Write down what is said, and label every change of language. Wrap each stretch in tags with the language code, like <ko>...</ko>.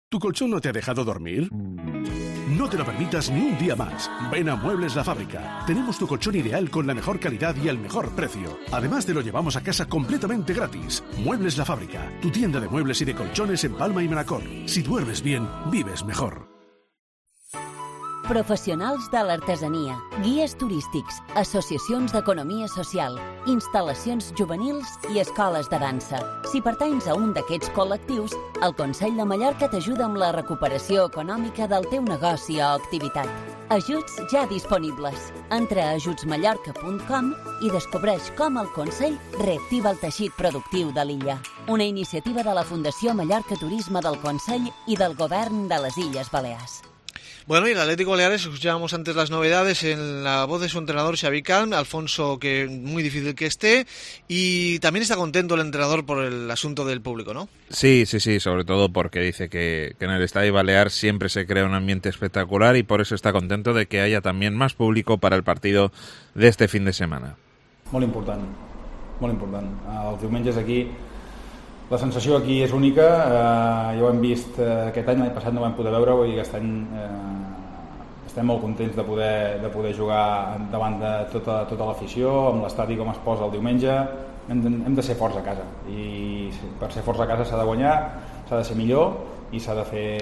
<es>¿Tu colchón no te ha dejado dormir? No te lo permitas ni un día más. Ven a Muebles La Fábrica. Tenemos tu colchón ideal con la mejor calidad y al mejor precio. Además, te lo llevamos a casa completamente gratis. Muebles La Fábrica, tu tienda de muebles y de colchones en Palma y Manacor. Si duermes bien, vives mejor.</es> <ca>Professionals de l'artesania, guies turístics, associacions d'economia social, instal·lacions juvenils i escoles de dansa. Si pertanys a un d'aquests col·lectius, el Consell de Mallorca t'ajuda amb la recuperació econòmica del teu negoci o activitat. Ajuts ja disponibles. Entra a ajutsmallorca.com i descobreix com el Consell reactiva el teixit productiu de l'illa. Una iniciativa de la Fundació Mallorca Turisme del Consell i del Govern de les Illes Balears.</ca> <es>Bueno, y el Atlético Baleares, escuchábamos antes las novedades en la voz de su entrenador Xavi Calm, Alfonso, que muy difícil que esté, y también está contento el entrenador por el asunto del público, ¿no? Sí, sí, sí, sobre todo porque dice que en el Estadio Balear siempre se crea un ambiente espectacular y por eso está contento de que haya también más público para el partido de este fin de semana. Muy importante, los</es> <ca>diumenges</ca> <es>aquí...</es> <ca>La sensació aquí és única, ja ho hem vist aquest any, l'any passat no vam poder veure-ho i aquest any estem molt contents de poder jugar davant de tota l'afició, amb l'estadi com es posa el diumenge. Hem de ser forts a casa i per ser forts a casa s'ha de guanyar, s'ha de ser millor i s'ha de fer...</ca>